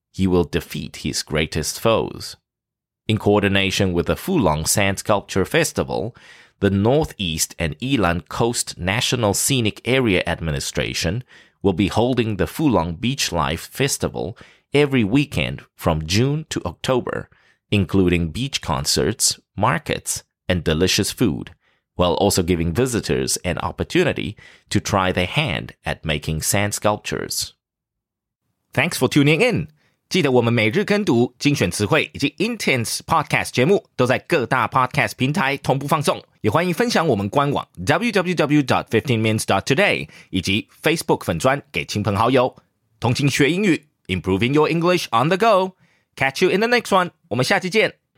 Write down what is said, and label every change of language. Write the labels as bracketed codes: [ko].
[en] He will defeat his greatest foes. In coordination with the Fulong Sand Sculpture Festival, the Northeast and Yilan Coast National Scenic Area Administration will be holding the Fulong Beach Life Festival every weekend from June to October, including beach concerts, markets, and delicious food. While also giving visitors an opportunity to try their hand at making sand sculptures. Thanks for tuning in. [zh] 记得我们每日跟读精选词汇以及 Intense Podcast 节目都在各大 Podcast 平台同步放送。也欢迎分享我们官网 www.15mins.today 以及 Facebook 粉专给亲朋好友。同勤学英语 [en] ,improving your English on the go. Catch you in the next one. [zh] 我们下期见。